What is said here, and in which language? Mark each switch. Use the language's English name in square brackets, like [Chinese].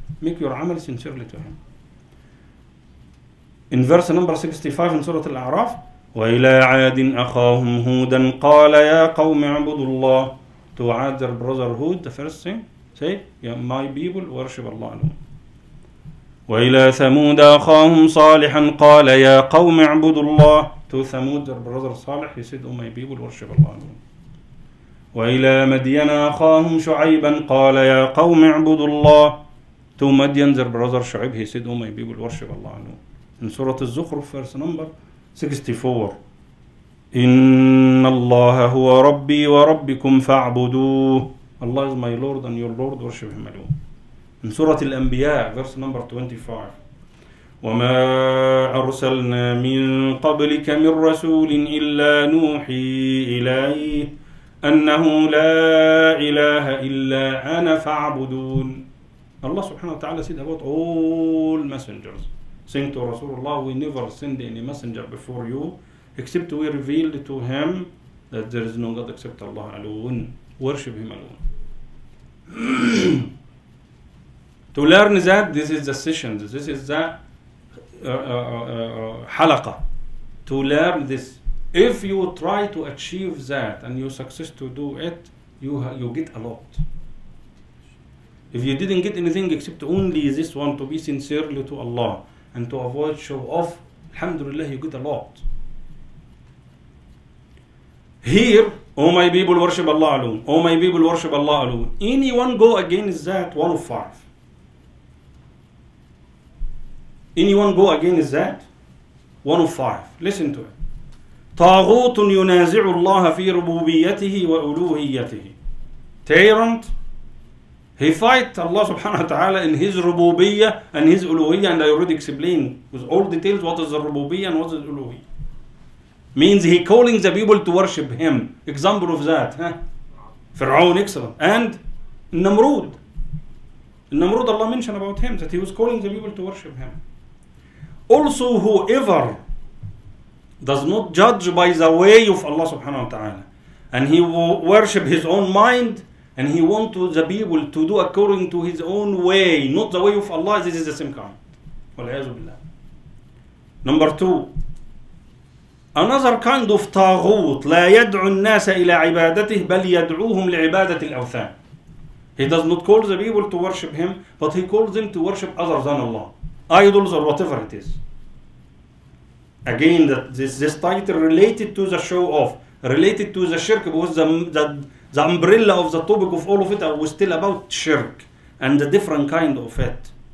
[English] Make your amal sincerely to him. In verse number 65 in Surah Al-A'raf, [Arabic] وإلى عاد أخاهم هودا قال يا قوم اعبدوا الله. [English] To add their brother Hood, the first thing, say, yeah, my people, worship Allah alone. [Arabic] وإلى ثمود أخاهم صالحا قال يا قوم اعبدوا الله. [English] To Thamud, their brother Salih, he said, oh my people, worship Allah alone. [Arabic] وإلى مدين أخاهم شعيبا قال يا قوم اعبدوا الله. [English] To Madyan, their brother Shuaib, he said, oh my people, worship Allah alone. In Surah Al-Zukhruf, verse number 64. [Arabic] إن الله هو ربي وربكم فاعبدوه. [English] Allah is my Lord and your Lord, worship him alone. In Surah Al-Anbiya, verse number 25. [Arabic] وما أرسلنا من قبلك من رسول إلا نوحي إليه أنه لا إله إلا أنا فاعبدون. [English] Allah subhanahu wa ta'ala said about all messengers. Saying to Rasulullah, we never send any messenger before you, except we revealed to him that there is no God except Allah alone. Worship him alone. To learn that, this is the session, this is the halaqa. To learn this. If you try to achieve that and you success to do it, you get a lot. If you didn't get anything except only this one, to be sincerely to Allah, and to avoid show off, alhamdulillah, you get a lot. Here, oh my people, worship Allah alone. Oh my people, worship Allah alone. Anyone go against that, one of five. Anyone go against that, one of five. Listen to it. [Arabic] طاغوت ينازع الله في ربوبيته وألوهيته. [English] Tyrant. He fight Allah subhanahu wa ta'ala in his rububiyyah and his uluhiyyah, and I already explained with all details what is the rububiyyah and what is the uluhiyyah. Means he calling the people to worship him. Example of that, huh? Fir'aun, excellent. And Namrud. Namrud, Allah mentioned about him that he was calling the people to worship him. Also, whoever does not judge by the way of Allah subhanahu wa ta'ala and he worship his own mind, and he want to the people to do according to his own way, not the way of Allah, this is the same kind. Wal'ayazu billah. Number two, another kind of taghut, [Arabic] لا يدعو الناس إلى عبادته بل يدعوهم لعبادة الأوثان. [English] He does not call the people to worship him, but he calls them to worship other than Allah. Idols or whatever it is. Again, this title related to the show off, related to the shirk, because the umbrella of the topic of all of it, we're still about shirk and the different kind of it.